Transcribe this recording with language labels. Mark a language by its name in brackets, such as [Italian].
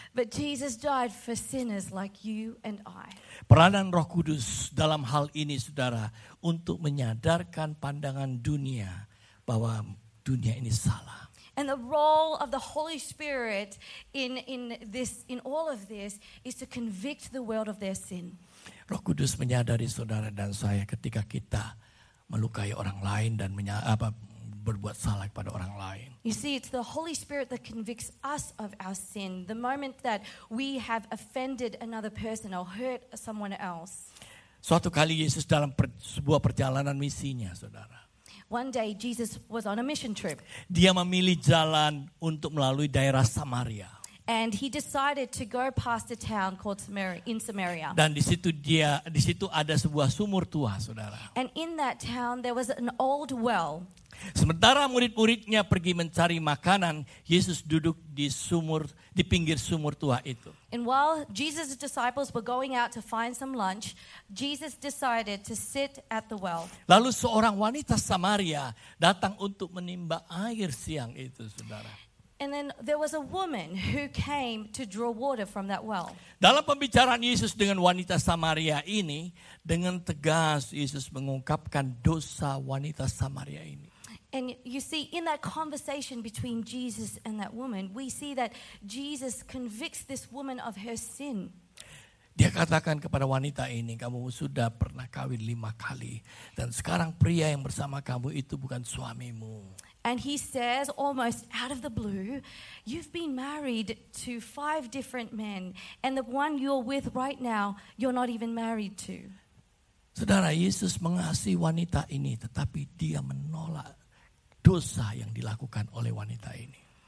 [English] But Jesus died for sinners like you and I. [Indonesian] Peranan Roh Kudus dalam hal ini, saudara, untuk menyadarkan pandangan dunia bahwa dunia ini salah. [English] And the role of the Holy Spirit in all of this is to convict the world of their sin. [Indonesian] Roh Kudus menyadari saudara dan saya ketika kita melukai orang lain dan berbuat salah kepada orang lain. [English] You see, it's the Holy Spirit that convicts us of our sin the moment that we have offended another person or hurt someone else. [Indonesian] Suatu kali Yesus dalam sebuah perjalanan misinya, saudara. [English] One day Jesus was on a mission trip. [Indonesian] Dia memilih jalan untuk melalui daerah Samaria. [English] And he decided to go past a town called Samaria. [Indonesian] Dan di situ ada sebuah sumur tua, saudara. [English] And in that town there was an old well. [Indonesian] Sementara murid-muridnya pergi mencari makanan, Yesus duduk di pinggir sumur tua itu. [English] And while Jesus' disciples were going out to find some lunch, Jesus decided to sit at the well. [Indonesian] Lalu seorang wanita Samaria datang untuk menimba air siang itu, saudara. [English] And then there was a woman who came to draw water from that well. [Indonesian] Dalam pembicaraan Yesus dengan wanita Samaria ini, dengan tegas Yesus mengungkapkan dosa wanita Samaria ini. [English] And you see, in that conversation between Jesus and that woman, we see that Jesus convicts this woman of her sin. [Indonesian] Dia katakan kepada wanita ini, kamu sudah pernah kawin 5 kali, dan sekarang pria yang bersama kamu itu bukan suamimu. [English] And he says, almost out of the blue, you've been married to 5 different men, and the one you're with right now, you're not even married to. [Indonesian] Saudara, Yesus mengasihi wanita ini, tetapi dia menolak dosa yang dilakukan oleh wanita ini.